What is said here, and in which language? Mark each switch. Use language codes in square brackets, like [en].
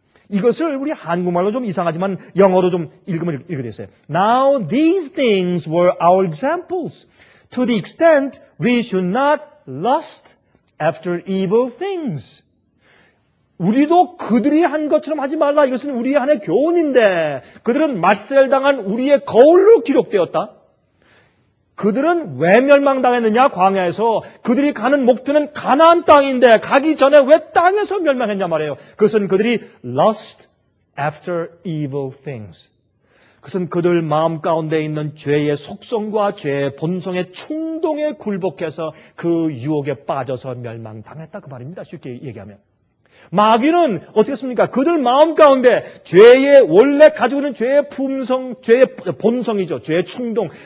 [ko] 이것을 우리 한국말로 좀 이상하지만 영어로 좀 읽으면 이렇게 되어있어요. [en] Now these things were our examples. To the extent we should not lust after evil things. [ko] 우리도 그들이 한 것처럼 하지 말라. 이것은 우리 안의 교훈인데 그들은 말살당한 우리의 거울로 기록되었다. 그들은 왜 멸망당했느냐? 광야에서 그들이 가는 목표는 가나안 땅인데 가기 전에 왜 땅에서 멸망했냐 말이에요. 그것은 그들이 [en] lust after evil things. [ko] 그것은 그들 마음 가운데 있는 죄의 속성과 죄의 본성의 충동에 굴복해서 그 유혹에 빠져서 멸망당했다 그 말입니다. 쉽게 얘기하면. 마귀는 어떻게 했습니까? 그들 마음 가운데 죄의 원래 가지고 있는 죄의 품성, 죄의 본성이죠. 죄의 충동.